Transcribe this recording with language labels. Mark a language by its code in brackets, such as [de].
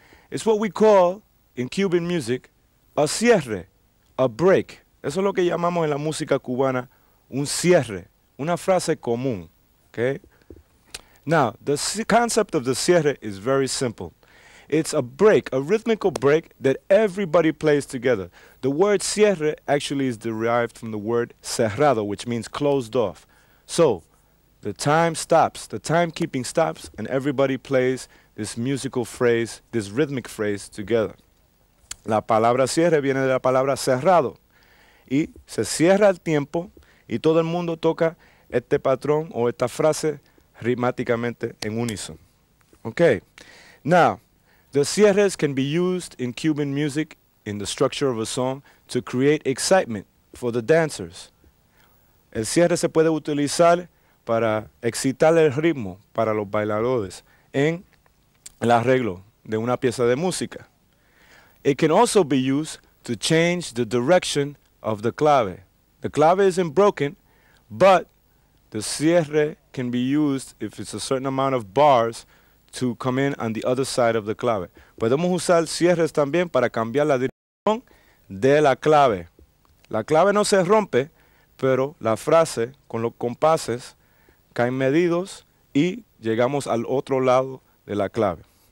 [en] It's what we call in Cuban music a cierre, a break. [es] Eso es lo que llamamos en la música cubana un cierre, una frase común. [en] Okay? Now, the concept of the cierre is very simple. It's a break, a rhythmical break that everybody plays together. The word cierre actually is derived from the word cerrado, which means closed off. So, the time stops, the timekeeping stops, and everybody plays this musical phrase, this rhythmic phrase together. [es] La palabra cierre viene de la palabra cerrado. Y se cierra el tiempo, y todo el mundo toca este patrón o esta frase rítmicamente en unison. [en] Okay, now, the cierres can be used in Cuban music in the structure of a song to create excitement for the dancers. [es] El cierre se puede utilizar para excitar el ritmo para los bailadores en el arreglo de una pieza de música. [en] It can also be used to change the direction of the clave. The clave isn't broken, but the cierre can be used if it's a certain amount of bars to come in on the other side of the clave. [es] Podemos usar cierres también para cambiar la dirección de la clave. La clave no se rompe, pero la frase con los compases caen medidos y llegamos al otro lado de la clave.